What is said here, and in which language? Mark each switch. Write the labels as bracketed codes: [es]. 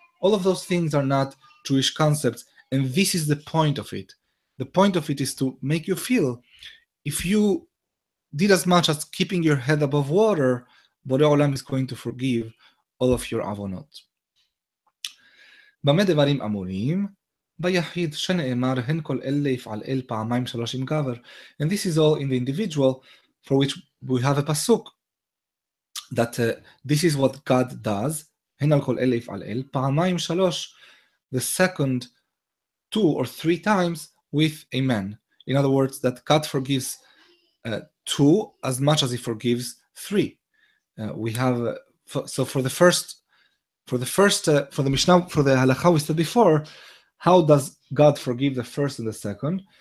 [en] All of those things are not Jewish concepts, and this is the point of it. The point of it is to make you feel, if you did as much as keeping your head above water, Borei Olam is going to forgive all of your avonot. [he] במה דברים אמורים? ביחיד שנאמר, הן כל אלה יפעל אל פעמיים שלוש עם גבר. [en] And this is all in the individual for which we have a pasuk. That this is what God does. [he] הן על כל אלה יפעל אל פעמיים שלוש. [en] The second two or three times with a man. In other words, that God forgives two as much as he forgives three. For the halakha we said before, how does God forgive the first and the second?